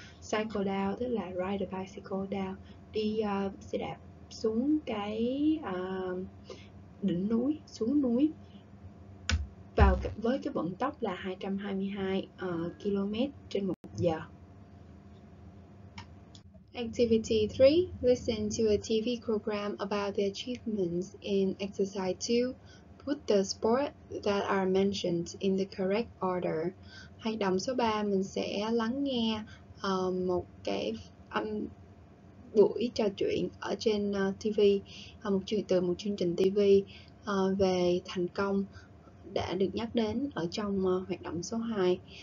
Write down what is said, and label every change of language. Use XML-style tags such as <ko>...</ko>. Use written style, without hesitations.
<vi>Cycle down tức là</vi> <en>ride a bicycle down,</en> <vi>đi xe đạp xuống cái đỉnh núi, xuống núi vào với cái vận tốc là 222 km/h.</vi> <en>Activity 3. Listen to a TV program about the achievements in exercise 2. Put the sport that are mentioned in the correct order.</en> <vi>Hành động số 3, mình sẽ lắng nghe một cái buổi trò chuyện ở trên TV, một chương trình TV về thành công đã được nhắc đến ở trong hoạt động số 2.</vi>